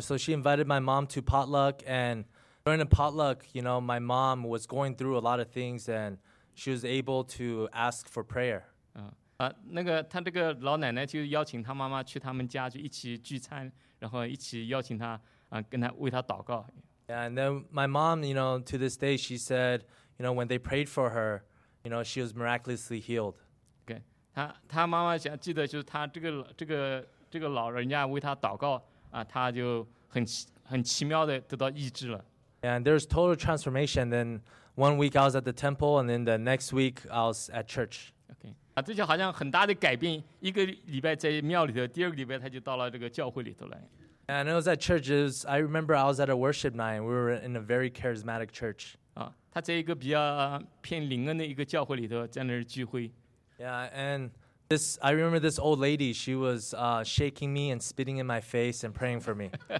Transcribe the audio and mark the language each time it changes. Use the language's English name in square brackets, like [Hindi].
[English] So she invited my mom to potluck, and during the potluck, you know, my mom was going through a lot of things, and she was able to ask for prayer. [Chinese] 那个他这个老奶奶就邀请他妈妈去他们家，就一起聚餐，然后一起邀请他，跟他为他祷告。 [English] Yeah, and then my mom, you know, to this day, she said, you know, when they prayed for her, you know, she was miraculously healed. [Chinese] Okay, 她妈妈想记得就是她这个老人家为她祷告，她就很奇妙的得到医治了。 [English] And there's total transformation. Then one week I was at the temple, and then the next week I was at church. [Chinese] Okay. 啊，这就好像很大的改变。一个礼拜在庙里头，第二个礼拜他就到了这个教会里头来。 [English] And it was at churches. I remember I was at a worship night. We were in a very charismatic church. [Chinese] 啊，他在一个比较偏灵恩的一个教会里头，在那儿聚会。 [English] Yeah, and this I remember this old lady. She was shaking me and spitting in my face and praying for me.